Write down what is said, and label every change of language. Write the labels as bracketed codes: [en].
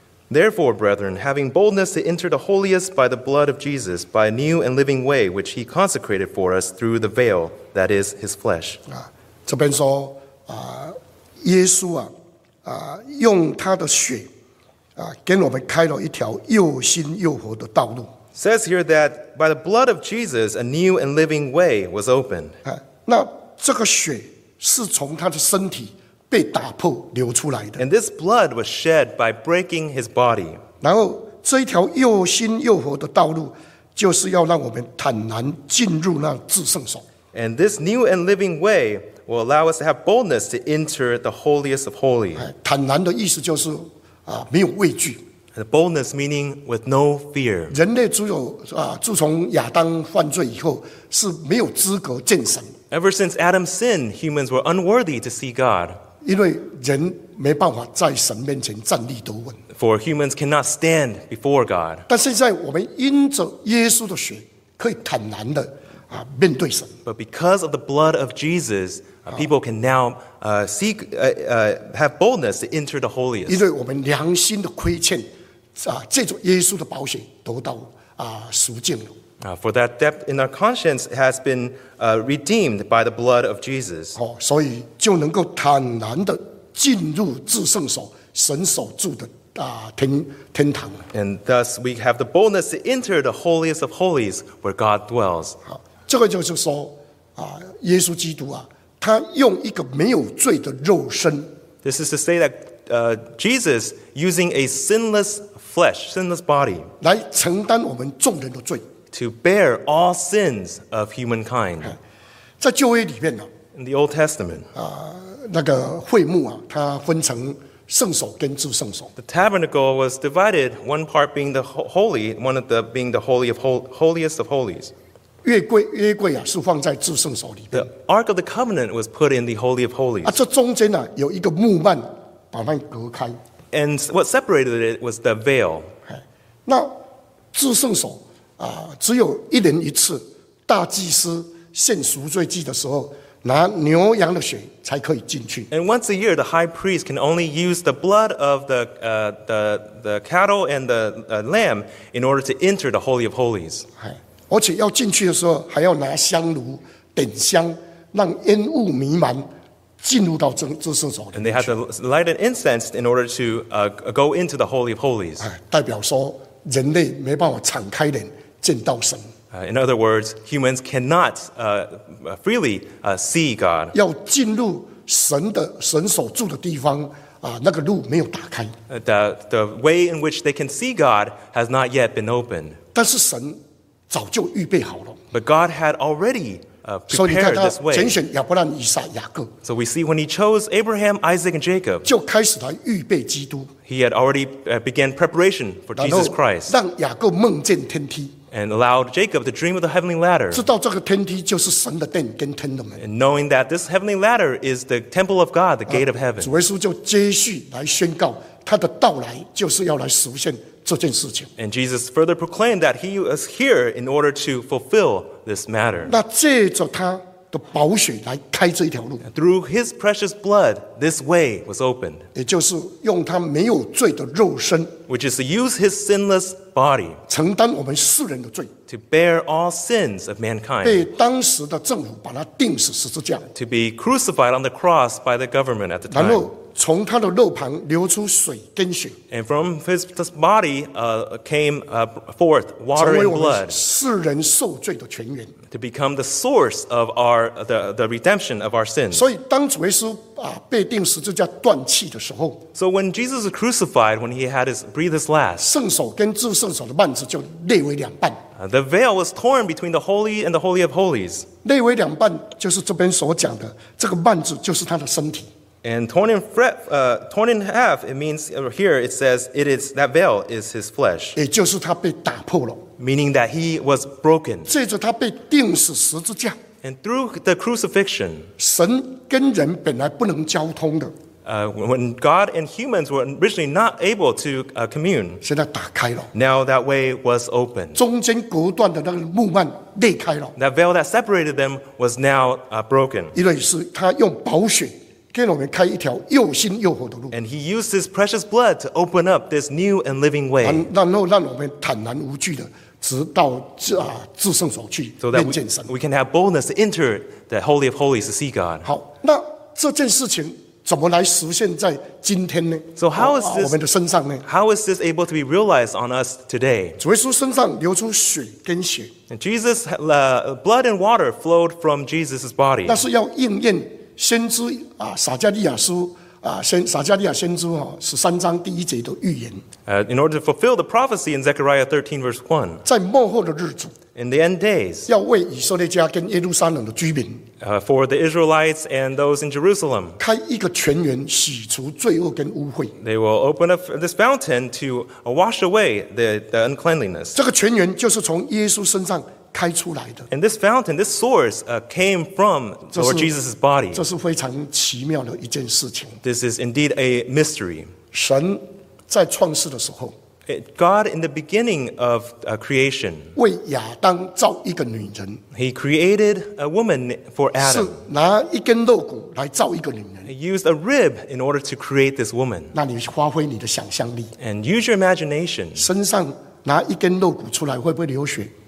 [en] Therefore, brethren, having boldness to enter the holiest by the blood of Jesus, by a new and living way which he consecrated for us through the veil, that is his flesh. [zh] 这边说耶稣啊用他的血给我们开了一条又新又活的道路。 [en] Says here that by the blood of Jesus, a new and living way was opened. [zh] 那这个血是从他的身体被打破流出来的。 [en] And this blood was shed by breaking his body. [zh] 然后这一条又新又活的道路就是要让我们坦然进入那至圣所。 [en] And this new and living way will allow us to have boldness to enter the holiest of holy. [zh] 坦然的意思就是没有畏惧。 [en] The boldness meaning with no fear. [zh] 人类自从亚当犯罪以后是没有资格见神。 [en] Ever since Adam sinned, humans were unworthy to see God. [zh] 因为人没办法在神面前站立得稳。 [en] For humans cannot stand before God. [zh] 但现在我们因着耶稣的血，可以坦然的啊面对神。 [en] But because of the blood of Jesus, people can now have boldness to enter the holiest. [zh] 因为我们良心的亏欠，啊，借着耶稣的宝血得到啊赎净了。 [en] For that debt in our conscience has been redeemed by the blood of Jesus. [zh] 哦，所以就能够坦然的进入至圣所，神所住的天堂。 [en] And thus we have the boldness to enter the holiest of holies, where God dwells. [zh] 这个就是说，耶稣基督啊，他用一个没有罪的肉身。 [en] This is to say that Jesus using a sinless flesh, sinless body, [zh] 来承担我们众人的罪。 [en] To bear all sins of humankind. [zh] 在旧约里面呢 [en] ，In the Old Testament, [zh] 那个会幕啊，它分成圣所跟至圣所。 [en] The tabernacle was divided, one part being the holy, one of the being the holy of holiest of holies. [zh] 约柜啊，是放在至圣所里面。 [en] The Ark of the Covenant was put in the Holy of Holies. [zh] 啊，这中间呢、啊、有一个幕幔把它隔开。 [en] And what separated it was the veil. [zh] 那至圣所。只有一年一次，大祭司献赎罪祭的时候，拿牛羊的血才可以进去。 [en] And once a year, the high priest can only use the blood of the cattle and the lamb in order to enter the holy of holies. [zh] 而且要进去的时候，还要拿香炉点香，让烟雾弥漫。 [en] And they had to light an incense in order to go into the Holy of Holies. [zh] 代表说人类没办法敞开脸见到神。 [en] In other words, humans cannot freely see God. [zh] 要进入神所住的地方那个路没有打开。 [en] The way in which they can see God has not yet been opened. [zh] 但是神早就预备好了。 [en] But God had already prepared this way. [zh] 拣选亚伯兰、以撒、雅各。 [en] So we see when he chose Abraham, Isaac, and Jacob, [zh] 就开始来预备基督。 [en] He had already began preparation for Jesus Christ. [zh] 让雅各梦见天梯。 [en] And allowed Jacob to dream of the heavenly ladder. [zh] 知道这个天梯就是神的殿跟天的门。 [en] And knowing that this heavenly ladder is the temple of God, the gate of heaven. [zh] 主耶稣就接续来宣告他的到来就是要来实现这件事情。 [en] And Jesus further proclaimed that he was here in order to fulfill this matter. [zh] 那借着他的宝血来开这一条路。 [en] Through his precious blood, this way was opened. [zh] 也就是用他没有罪的肉身。 [en] Which is to use his sinless body. [zh] 承担我们世人的罪。 [en] To bear all sins of mankind. [zh] 被当时的政府把他钉死十字架。 [en] To be crucified on the cross by the government at the time. [zh] 然后从他的肉旁流出水跟血。 [en] And from his body came forth water and blood. [zh] 成为我们世人受罪的泉源。 [en] To become the source of the redemption of our sins. [zh] 所以当主耶稣被钉十字架断气的时候。 [en] So when Jesus was crucified, when he had breathed his last. [zh] 圣所跟至圣所的幔子就裂为两半。 [en] The veil was torn between the holy and the holy of holies. [zh] 裂为两半就是这边所讲的，这个幔子就是他的身体。 [en] And torn in half, it means here it says it is that veil is his flesh. [zh] 也就是他被打破了。 [en] Meaning that he was broken. [zh] 借着他被钉死十字架。 [en] And through the crucifixion, [zh] 神跟人本来不能交通的。 [en] When God and humans were originally not able to commune, [zh] 现在打开了。 [en] Now that way was open. [zh] 中间隔断的那个幕幔裂开了。 [en] That veil that separated them was now broken. [zh] 因为是他用宝血。给我们开一条又新又活的路。 [en] And he used his precious blood to open up this new and living way. [zh] 然后让我们坦然无惧的直到至圣所去面见神。 [en] So that we can have boldness to enter the Holy of Holies to see God. [zh] 好，那这件事情怎么来实现在今天呢？ [en] So how is this, [zh] 我们的身上呢？ [en] How is this able to be realized on us today? [zh] 主耶稣身上流出血跟血。 [en] And Jesus, blood and water flowed from Jesus' body. [zh] 那是要应验先知撒加利亚书撒加利亚先知十三章第一节的预言。 [en] In order to fulfill the prophecy in Zechariah 13 verse 1, [zh] 在末后的日子 [en] ，in the end days, [zh] 要为以色列家跟耶路撒冷的居民 [en] ，for the Israelites and those in Jerusalem, [zh] 开一个泉源洗除罪恶跟污秽。 [en] They will open up this fountain to wash away the uncleanliness. [zh] 这个泉源就是从耶稣身上开出来的。 [en] And this fountain, this source, came from Lord Jesus' body. [zh] 这是非常奇妙的一件事情。 [en] This is indeed a mystery. [zh] 神在创世的时候， [en] God in the beginning of creation, [zh] 为亚当造一个女人。 [en] He created a woman for Adam. [zh] 是拿一根肋骨来造一个女人。 [en] He used a rib in order to create this woman. [zh] 那你发挥你的想象力。 [en] And use your imagination. [zh] 身上拿一根肋骨出来会不会流血？